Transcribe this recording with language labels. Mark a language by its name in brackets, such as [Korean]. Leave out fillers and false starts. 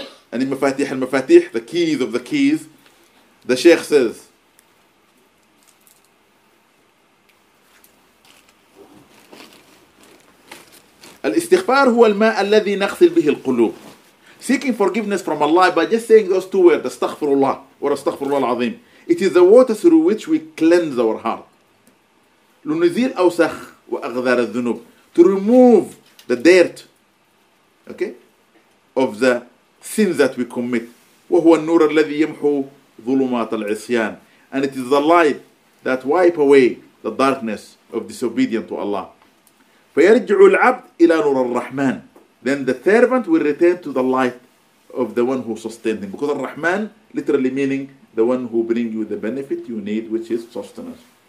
[English] And in Mafatih al-Mafatih, the keys of the keys, the Sheikh says, [Arabic] الاستغفار هو الماء الذي نغسل به القلوب. [English] Seeking forgiveness from Allah by just saying those two words, [Arabic] استغفر الله [English] or [Arabic] استغفر الله العظيم. [English] It is the water through which we cleanse our heart. [Arabic] لنزيل أوسخ وأغذار الذنوب. [English] To remove the dirt, okay, of the sins that we commit. [Arabic] وهو النور الذي يمحو ظلمات العصيان. [English] And it is the light that wipe away the darkness of disobedience to Allah. [Arabic] فَيَرْجِعُ الْعَبْدُ إِلَى نُورَ الرَّحْمَنِ [English] Then the servant will return to the light of the one who sustained him. Because الرحمن literally meaning the one who brings you the benefit you need, which is sustenance.